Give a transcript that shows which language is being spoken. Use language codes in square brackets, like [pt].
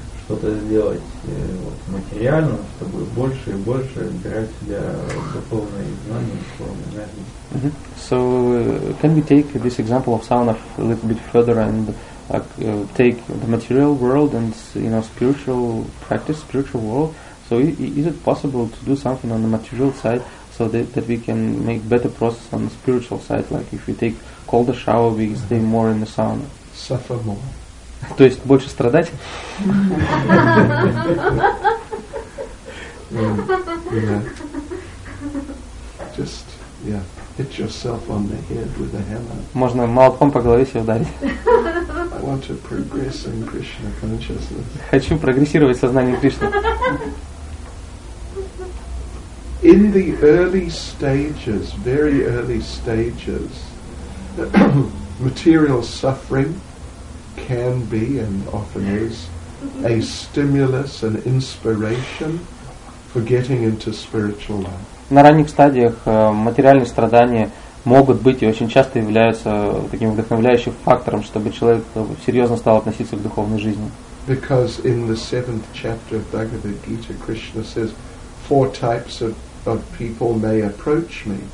[ru] что-то сделать вот, материально, чтобы больше и больше брать себя духовные знания и духовные знания. [en] So can we take this example of sauna a little bit further and take the material world and, you know, spiritual practice, spiritual world? So is it possible to do something on the material side so that we can make better process on the spiritual side? Like if we take colder shower, we stay more in the sauna. Suffer more. [ru] То есть больше страдать? [en] Just, yeah, hit yourself on the head with a hammer. [ru] Можно молотком по голове себя ударить. [en] I want to progress in Krishna consciousness. [ru] Хочу прогрессировать в сознании Кришны. [en] In the early stages, very early stages, material suffering can be and often is a stimulus, an inspiration for getting into spiritual life. [ru] На ранних стадиях материальные страдания могут быть и очень часто являются таким вдохновляющим фактором, чтобы человек серьезно стал относиться к духовной жизни. [en] Because in the 7th chapter of Bhagavad Gita, Krishna says, four types of people may approach me.